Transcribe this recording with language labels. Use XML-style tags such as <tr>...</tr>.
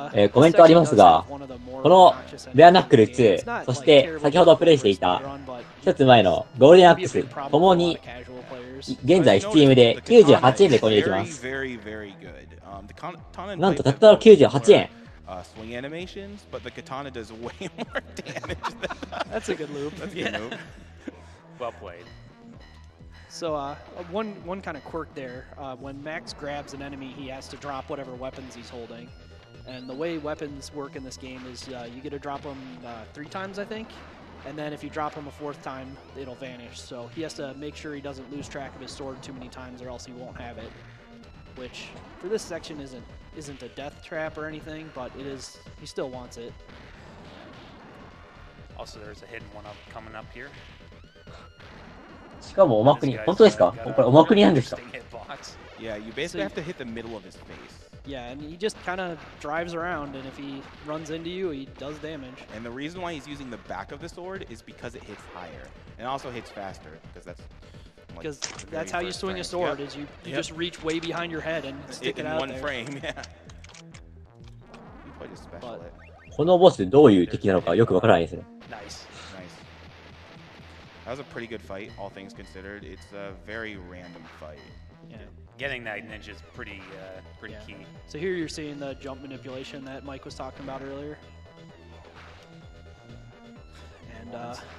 <ja>コメントありますが、このベアナックル2、そして先ほどプレイしていた、一つ前のゴールデンアックス、ともに、現在 Steam で98円で購入できます。なんとたったの98円。</ja> <en>Swing animations, but the katana does way more damage than that. That's a good loop. That's a good move. Well played. So, one kind of quirk there, when Max grabs an enemy, he has to drop whatever weapons he's holding. And the way weapons work in this game is you get to drop them three times, I think. And then if you drop them a fourth time, it'll vanish. So he has to make sure he doesn't lose track of his sword too many times or else he won't have it. Which, for this section, isn't a death trap or anything, but it is, he still wants it. Also, there's a hidden one up coming up here.</en> <ja>しかもおまくに、本当ですか？これおまくになんですか？</ja> <en>Yeah, you basically have to hit the middle of his face. Yeah, and he just kind of drives around, and if he runs into you, he does damage. And the reason why he's using the back of the sword is because it hits higher, and also hits faster, because that's because that's how you swing a sword, is you just reach way behind your head and stick it out there. In one frame, yeah. You play just special it.</en> <ja>このボスどういう敵なのかよくわからないですね。</ja> <en>That was a pretty good fight, all things considered. It's a very random fight. Yeah. Getting that ninja is pretty key. So here you're seeing the jump manipulation that Mike was talking about earlier. And,</en>